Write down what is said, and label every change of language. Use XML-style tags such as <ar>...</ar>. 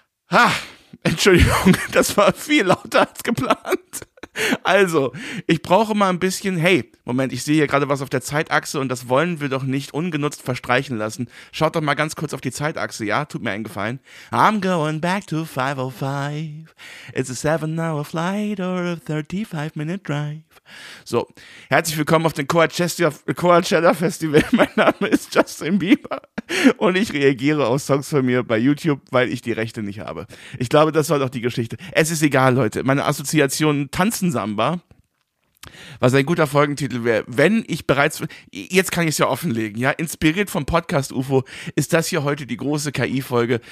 <de>Ha, Entschuldigung, das war viel lauter als geplant. Also, ich brauche mal ein bisschen, hey, Moment, ich sehe hier gerade was auf der Zeitachse und das wollen wir doch nicht ungenutzt verstreichen lassen. Schaut doch mal ganz kurz auf die Zeitachse, ja? Tut mir einen Gefallen.</de> <en>I'm going back to 505. It's a 7-hour flight or a 35-minute drive.</en> <de>So, herzlich willkommen auf den Coachella Festival. Mein Name ist Justin Bieber und ich reagiere auf Songs von mir bei YouTube, weil ich die Rechte nicht habe. Ich glaube, das war doch die Geschichte. Es ist egal, Leute. Meine Assoziationen tanzen Samba, was ein guter Folgentitel wäre, wenn ich bereits, jetzt kann ich es ja offenlegen, ja, inspiriert vom Podcast UFO ist das hier heute die große KI-Folge.</de>